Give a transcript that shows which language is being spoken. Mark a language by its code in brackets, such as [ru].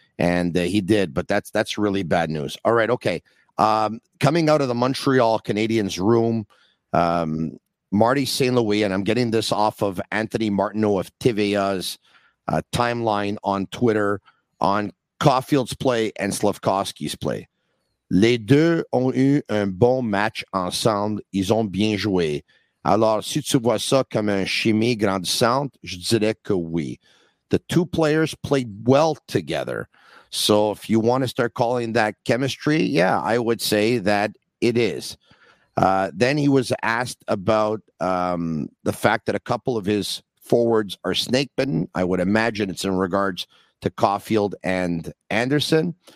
[en] And he did. But that's really bad news. All right. Okay. Coming out of the Montreal Canadiens room, Marty St. Louis, and I'm getting this off of Anthony Martineau of Tivia's timeline on Twitter, on Caufield's play and Slafkovský's play. [fr] Les deux ont eu un bon match ensemble. Ils ont bien joué. Alors, si tu vois ça comme un chimie grandissante, je dirais que oui. [en] The two players played well together. So if you want to start calling that chemistry, yeah, I would say that it is. Then he was asked about the fact that a couple of his forwards are snake bitten. I would imagine it's in regards to Caufield and Anderson.